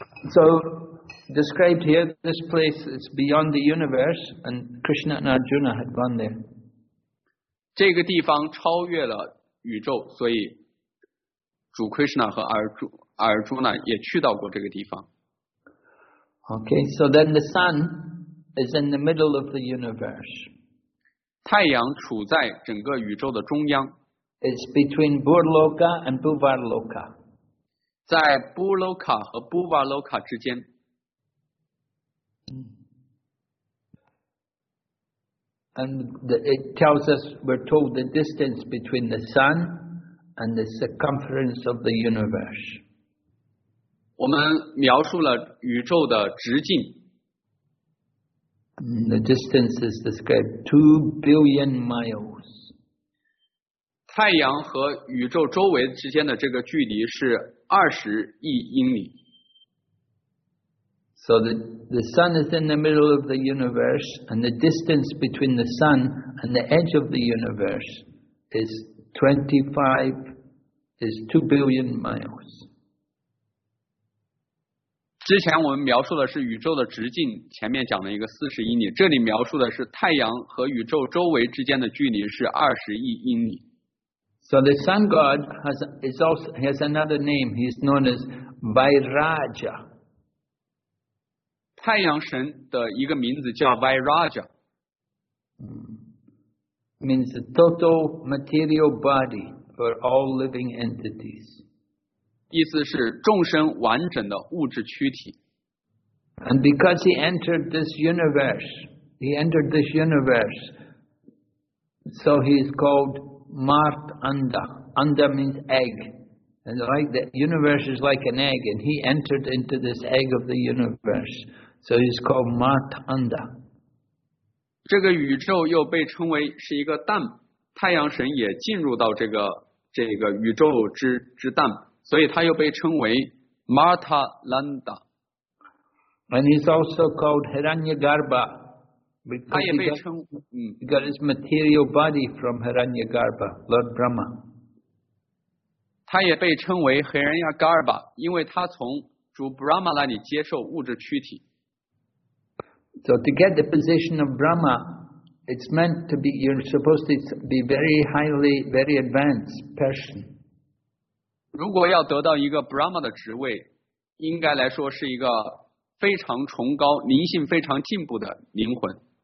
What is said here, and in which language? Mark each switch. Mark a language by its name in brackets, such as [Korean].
[English] So described here, this place is beyond the universe, and Krishna and Arjuna had gone there. [Chinese] 这个地方超越了宇宙，所以主 Krishna 和阿尔朱纳也去到过这个地方。 [English] Okay, so then the sun is in the middle of the universe. [Chinese] 太阳处在整个宇宙的中央。 [English] It's between Bhurloka and Bhuvarloka. [Chinese] 在波罗卡和波瓦罗卡之间。 [English] And it tells us, we're told the distance between the sun and the circumference of the universe. [Chinese] 我们描述了宇宙的直径。 [English] The distance is described 2 billion miles. [Chinese] 太阳和宇宙周围之间的这个距离是20亿英里。 [English] So the sun is in the middle of the universe, and the distance between the sun and the edge of the universe is 2 billion miles. [Chinese] 之前我们描述的是宇宙的直径，前面讲了一个40英里，这里描述的是太阳和宇宙周围之间的距离是20亿英里。 [English] So the sun god has another name. He's known as Vairaja. [Chinese] 太阳神的一个名字叫 Vairaja. [English] Means the total material body for all living entities. [Chinese] 意思是众生完整的物质躯体。 [English] And because he entered this universe, so he's called. Mart Anda. Anda means egg. And like the universe is like an egg, and he entered into this egg of the universe. So he's called Mart Anda. [Chinese] 这个宇宙又被称为是一个蛋，太阳神也进入到这个宇宙之蛋，所以他又被称为 Mart Anda. [English] And he's also called Hiranyagarbha, Because he got his material body from Hiranyagarbha, Lord Brahma. [Chinese] 他也被称为 Hiranyagarbha, 因为他从主 Brahma 那里接受物质躯体。 [English] So to get the position of Brahma, it's meant to be, you're supposed to be very highly, very advanced person. [Chinese] 如果要得到一个 Brahma 的职位, 应该来说是一个非常崇高,灵性非常进步的灵魂。